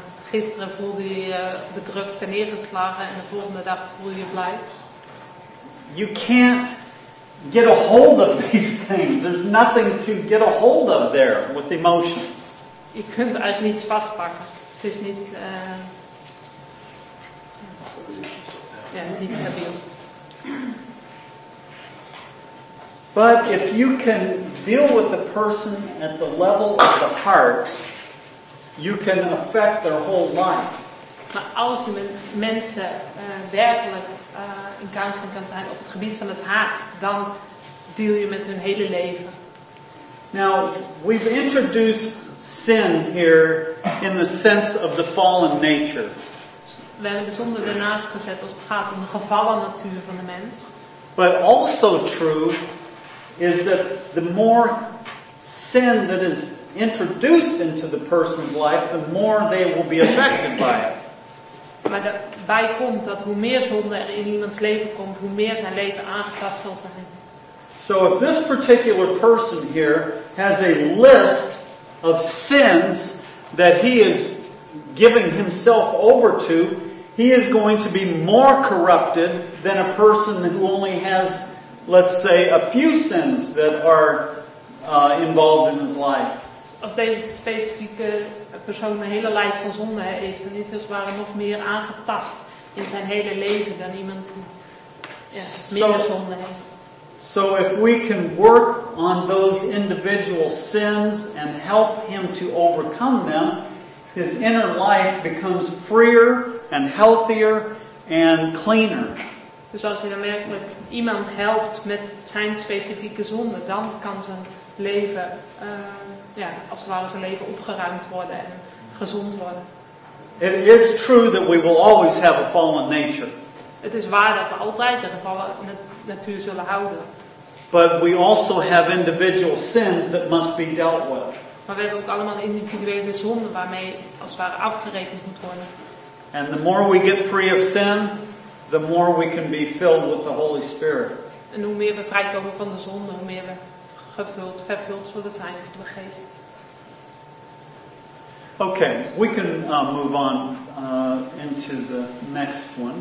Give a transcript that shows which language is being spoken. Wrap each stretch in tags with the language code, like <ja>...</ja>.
<nl>Gisteren voelde je bedrukt en neergeslagen en de volgende dag voel je blij.</nl> <en>You can't get a hold of these things. There's nothing to get a hold of there with emotions.</en> <nl>Je kunt eigenlijk niets vastpakken. Het is niet niet stabiel.</nl> <en>But if you can deal with the person at the level of the heart, you can affect their whole life.</en> <nl>Maar als je met mensen werkelijk in counseling kan zijn op het gebied van het hart, dan deal je met hun hele leven.</nl> <en>Now, we've introduced sin here in the sense of the fallen nature.</en> <nl>We hebben de zonde ernaast gezet als het gaat om de gevallen natuur van de mens.</nl> <en>But also true is that the more sin that is introduced into the person's life, the more they will be affected by it.</en> <nl>Maar daarbij komt dat hoe meer zonde er in iemands leven komt, hoe meer zijn leven aangetast zal zijn.</nl> <en>So if this particular person here has a list of sins that he is giving himself over to, he is going to be more corrupted than a person who only has, let's say, a few sins that are involved in his life.</en> <nl>Als deze specifieke persoon een hele lijst van zonden heeft, dan is hij als het ware nog meer aangetast in zijn hele leven dan iemand die minder zonden heeft.</nl> <en>So if we can work on those individual sins and help him to overcome them, his inner life becomes freer and healthier and cleaner.</en> <nl>Dus als je dan werkelijk iemand helpt met zijn specifieke zonde, dan kan zijn leven, als het ware zijn leven opgeruimd worden en gezond worden.</nl> <en>It is true that we will always have a fallen nature.</en> <nl>Het is waar dat we altijd een gevallen natuur zullen houden.</nl> <en>But we also have individual sins that must be dealt with.</en> <nl>Maar we hebben ook allemaal individuele zonden waarmee als het ware afgerekend moet worden.</nl> <en>And the more we get free of sin, the more we can be filled with the Holy Spirit.</en> <nl>En hoe meer we vrijkomen van de zonde, hoe meer we vervuld zullen zijn van de geest.</nl> <en>Okay, we can move on into the next one.</en>